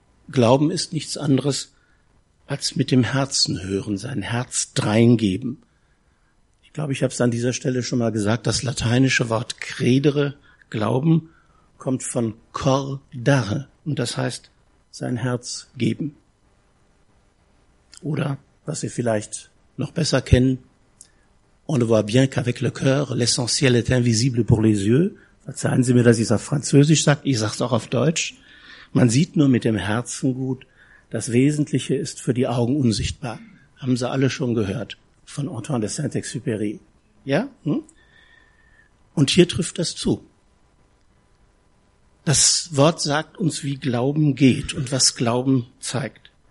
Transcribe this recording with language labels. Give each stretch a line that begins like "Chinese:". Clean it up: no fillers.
German: Glauben ist nichts anderes als mit dem Herzen hören, sein Herz dreingeben. Ich glaube, ich habe es an dieser Stelle schon mal gesagt, das lateinische Wort credere, Glauben, kommt von cordare und das heißt sein Herz geben. Oder, was Sie vielleicht noch besser kennen,
French: on le voit bien qu'avec le cœur, l'essentiel est invisible pour les yeux.
German: Verzeihen Sie mir, dass ich es auf Französisch sage, ich sage es auch auf Deutsch. Man sieht nur mit dem Herzen gut, das Wesentliche ist für die Augen unsichtbar. Haben Sie alle schon gehört von Antoine de Saint-Exupéry. Ja? Und hier trifft das zu. Das Wort sagt uns, wie Glauben geht und was Glauben zeigt.